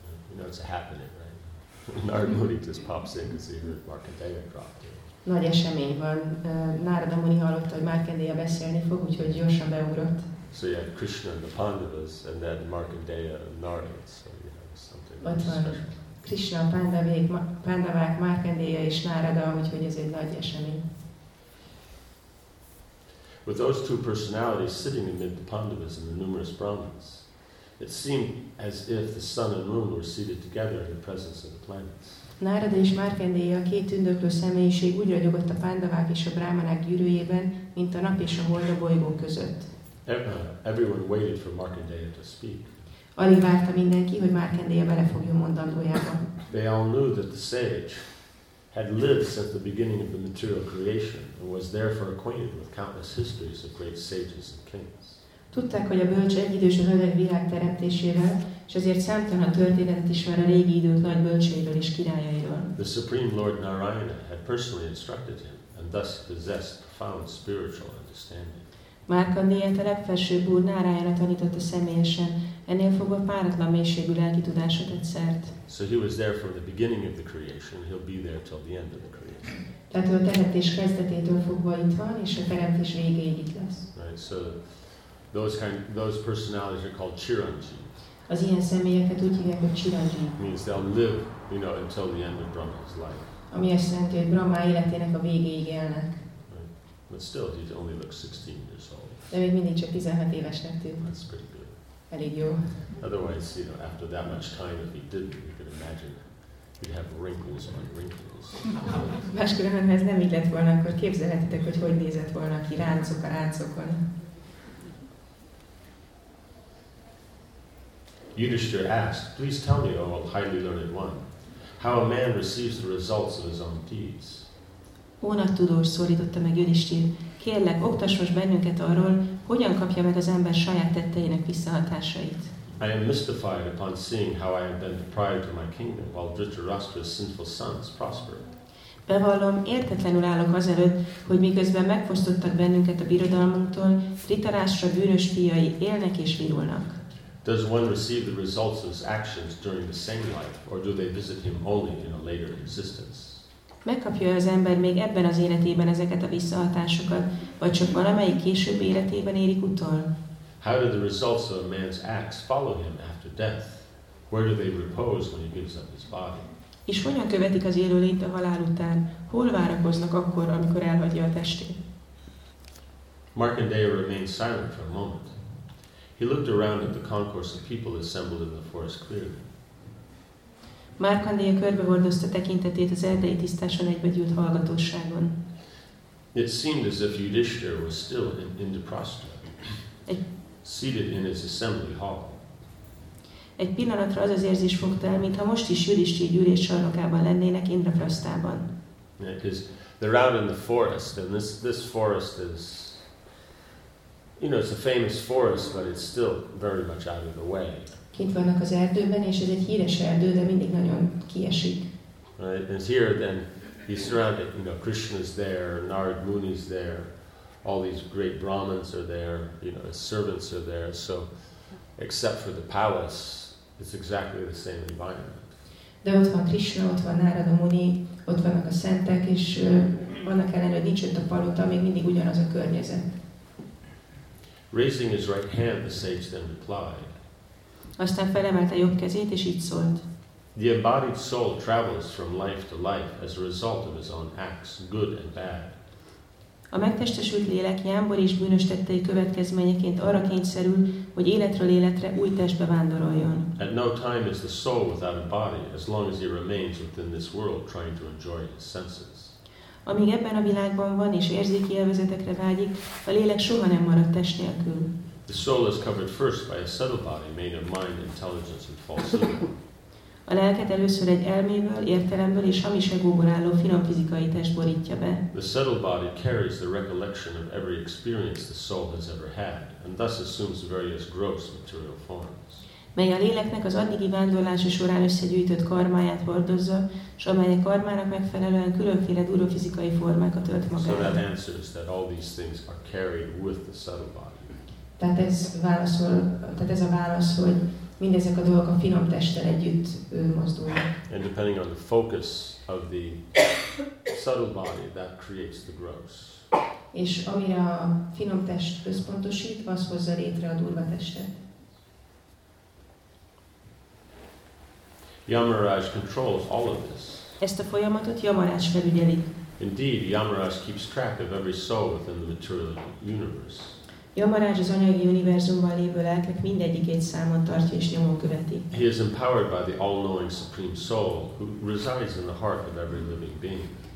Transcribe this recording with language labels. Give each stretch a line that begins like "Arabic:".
English: You know, it's a happening, right? Narada Muni just pops in because he heard Markandeya drop.
Hungarian: Nagy esemény van. Narada Muni hallotta, hogy Markandeya beszélni fog, úgyhogy gyorsan beugrott.
English: So you have Krishna and the Pandavas, and then Markandeya and Narada. So you have something special.
Hungarian: Ott van Krishna, Pandavák, Markandeya és Narada, úgyhogy ez egy nagy esemény.
English: With those two personalities sitting amid the Pandavas and the numerous Brahmins, it seemed as if the sun and moon were seated together in the presence of the planets.
Hungarian: Narada és Markandeya, a két tündöklő személyiség úgy ragyogott a Pandavák és a Brahmanák gyűrűjében, mint a nap és a hold a bolygó között.
English: Everyone waited for Markandeya to speak.
Hungarian: Alig várta mindenki, hogy Markandeya belefogjon mondandójába.
English: They all knew that the sage had lived since the beginning of the material creation and was therefore acquainted with countless histories of great sages and kings.
Hungarian: Tudták, hogy a bölcs egyidős az öreg világ teremtésével, és ezért számtalan történetet ismer a régi idők nagy bölcséről és királyairól.
English: The Supreme Lord Narayana had personally instructed him, and thus possessed profound spiritual understanding.
Hungarian: Markandeya, a legfelsőbb úr Narayana tanította személyesen, ennél fogva páratlan mélységű lelki tudásot egyszert.
English: So he was there from the beginning of the creation, he'll be there till the end of the creation.
Hungarian: Tehát a teremtés kezdetétől fogva itt van, és a teremtés végéig itt lesz.
English: Right, so those personalities are called Chiranjeevi.
Hungarian: Az ilyen személyeket úgy hívják, hogy Chiranjeevi.
English: Means they'll live, you know, until the end of Brahma's life.
Hungarian: Ami azt jelenti, hogy Brahma életének a végéig élnek.
English: Right. But still, he only looks 16 years old.
Hungarian: De még mindig csak 16 évesnek tűnt.
English: That's pretty good.
Hungarian: Elég jó.
English: Otherwise, you know, after that much time, if he didn't, you could imagine he'd have wrinkles on wrinkles.
Hungarian: Máskülönben, ez nem így lett volna, akkor képzelhetitek, hogy hogy nézett volna ki ráncok a ráncokon.
English: Yudhishthira asked, please tell me, O highly learned one, how a man receives the results of his own deeds.
Hungarian: Ó nagy tudós, szólította meg Yudhishthira, kérlek, oktass most bennünket arról, hogyan kapja meg az ember saját tetteinek visszahatásait.
English: I am mystified upon seeing how I have been deprived of my kingdom while Dhritarashtra's sinful sons prosper.
Hungarian: Bevallom, értetlenül állok azelőtt, hogy miközben megfosztottak bennünket a birodalmunktól, Tritarásra bűnös fiai élnek és virulnak.
English: Does one receive the results of his actions during the same life, or do they visit him only in a later existence?
Hungarian: Megkapja az ember még ebben az életében ezeket a visszahatásokat, vagy csak valamelyik később életében érik utol?
English: How do the results of a man's acts follow him after death? Where do they repose when he gives up his body?
Hungarian: És hogyan követik az élőlényt a halál után? Hol várakoznak akkor, amikor elhagyja a testét?
English: Markandeya remained silent for a moment. He looked around at the concourse of people assembled in the forest clearing.
Hungarian: Markandeya körbehordozta tekintetét az erdei tisztáson egybegyűlt hallgatóságon.
English: It seemed as if Yudhishthira was still in Indraprastha, seated in his assembly hall.
Hungarian: Egy pillanatra az az érzés fogta el, mintha most is Yudhishthira gyűlés sarnokában lennének Indraprasthában.
English: Because they're out in the forest, and this forest is, you know, it's a famous forest, but it's still very much out of the way.
Hungarian: Kint vannak az erdőben, és ez egy híres erdő, de mindig nagyon kiesik.
English: Right, and here then, he's surrounded, you know, Krishna's there, Narad Muni's there, all these great Brahmins are there, you know, his servants are there, so except for the palace, it's exactly the same environment.
Hungarian: De ott van Krishna, ott van Narad Muni, ott vannak a szentek, és annak ellenére, hogy nincs ott a palota, még mindig ugyanaz a környezet.
English: Raising his right hand, the sage then replied.
Hungarian: Aztán felemelte jobb kezét, és így szólt.
English: The embodied soul travels from life to life as a result of his own acts, good and bad.
Hungarian: A megtestesült lélek jámbor és bűnös tettei következményeként arra kényszerül, hogy életről életre új testbe vándoroljon.
English: At no time is the soul without a body, as long as he remains within this world trying to enjoy his senses.
Hungarian: Amíg ebben a világban van és érzéki élvezetekre vágyik, a lélek soha nem marad test nélkül.
English: The soul is covered first by a subtle body made of mind, intelligence and false ego.
Hungarian: A lelket először egy elméből, értelemből és hamis egóból álló finom fizikai test borítja be.
English: The subtle body carries the recollection of every experience the soul has ever had, and thus assumes various gross material forms.
Hungarian: Mely a léleknek az addigi vándorlása során összegyűjtött karmáját hordozza, és amely a karmának megfelelően különféle durva fizikai formákat ölt magában.
English: So that answers that all these things are carried with the subtle body.
Hungarian: Tehát ez a válasz, hogy mindezek a dolgok a finom testtel együtt mozdulnak.
English: And depending on the focus of the subtle body, that creates the gross.
Hungarian: És amire a finom test központosít, az hozza létre a durva testet.
English: Yamaraj controls all of this.
Hungarian: Ezt a folyamatot Yamaraj felügyeli.
English: Indeed, Yamaraj keeps track of every soul within the material universe.
Hungarian: Yamaraj az anyagi univerzumban lévő lelkek mindegyikét számon tartja és nyomon követi.
English: He is empowered by the all-knowing supreme soul who resides in the heart of every living being.